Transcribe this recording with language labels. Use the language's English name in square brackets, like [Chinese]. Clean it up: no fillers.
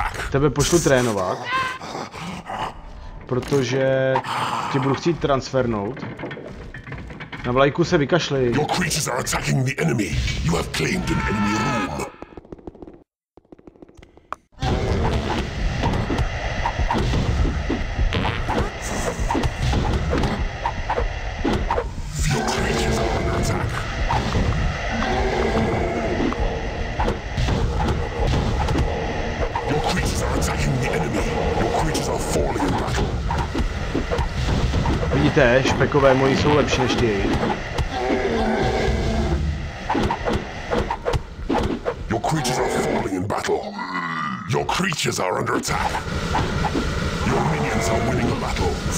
[Czech] Tebe pošlu trénovat. Protože tě budu chtít transfernout. Na vlajku se vykašli. [English] Your creatures are attacking the enemy. You have claimed an enemy room. Your creatures are under attack. Your creatures are attacking the enemy. Your creatures are falling in battle. [Czech] Vidíte, špekové moji jsou lepší než ty. [English] Your creatures are falling in battle. Your creatures are under attack. Your minions are winning the battle.